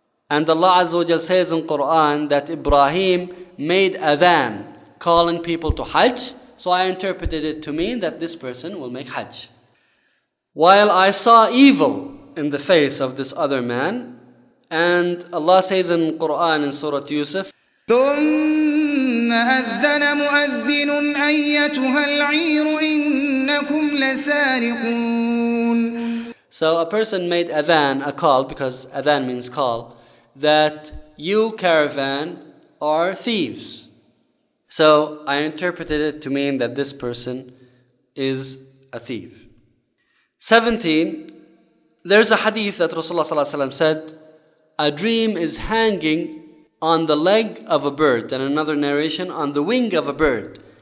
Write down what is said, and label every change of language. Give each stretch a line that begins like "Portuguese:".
English: And Allah Azza wa Jalla says in Quran that Ibrahim made adhan, calling people to hajj. So I interpreted it to mean that this person will make hajj. While I saw evil in the face of this other man, and Allah says in Quran in Surah Yusuf,
Arabic: ثم أذن مؤذن أيتها العير إنكم لسارقون.
English: So a person made adhan, a call, because adhan means call, that you caravan are thieves. So I interpreted it to mean that this person is a thief. 17, there's a hadith that Rasulullah sallallahu alaihi wasallam said, a dream is hanging on the leg of a bird, and another narration, on the wing of a bird.